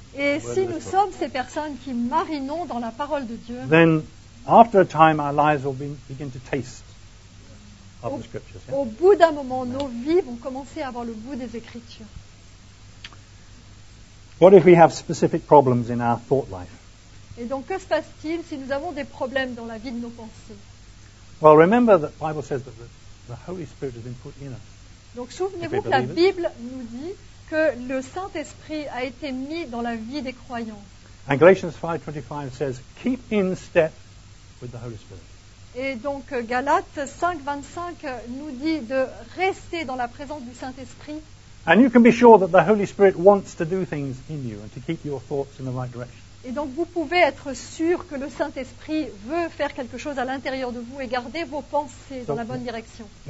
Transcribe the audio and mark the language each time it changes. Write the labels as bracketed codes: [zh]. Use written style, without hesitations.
[fr] Et si nous sommes ces personnes qui marinons dans la parole de Dieu. [en] Then, after a time, our lives will begin to taste of the scriptures. [fr] Yeah? Au bout d'un moment, nos vies vont commencer à avoir le goût des écritures. [en] What if we have specific problems in our thought life? [fr] Et donc, que se passe-t-il si nous avons des problèmes dans la vie de nos pensées? [en] Well, remember that the Bible says that the Holy Spirit has been put in us. [fr] Donc, souvenez-vous que la Bible nous dit que le Saint-Esprit a été mis dans la vie des croyants. [en] And Galatians 5:25 says, keep in step with the Holy Spirit. [fr] Et donc, Galates 5:25 nous dit de rester dans la présence du Saint-Esprit. [en] And you can be sure that the Holy Spirit wants to do things in you and to keep your thoughts in the right direction. [fr] Et donc, vous pouvez être sûr que le Saint-Esprit veut faire quelque chose à l'intérieur de vous et garder vos pensées dans la bonne direction.